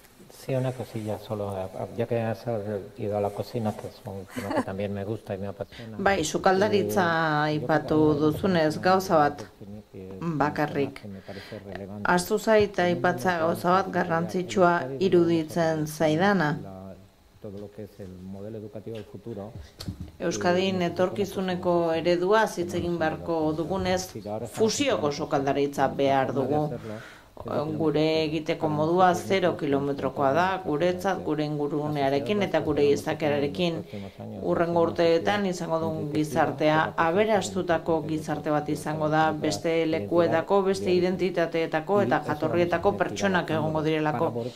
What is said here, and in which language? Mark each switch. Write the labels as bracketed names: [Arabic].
[Spanish] sí, una cosilla solo, ya que has ido a la cocina, que es un tema que también me gusta y me apasiona. [Basque] Bai, sukaldaritza aipatu duzunez, gauza bat bakarrik. Astu zait aipatza gauza bat garrantzitsua iruditzen zaidana. [Spanish] todo lo que es el modelo educativo del futuro. [Basque] Euskadin etorkizuneko eredua hitz egin beharko dugunez, fusioko sukaldaritza behar dugu. Gure egiteko modua 0 kilometrokoa da, guretzat, gure ingurunearekin eta gure izakerarekin. Urrengo urteetan izango dugun gizartea, aberastutako gizarte bat izango da, beste lekuetako, beste identitateetako eta jatorrietako pertsonak egongo direlako.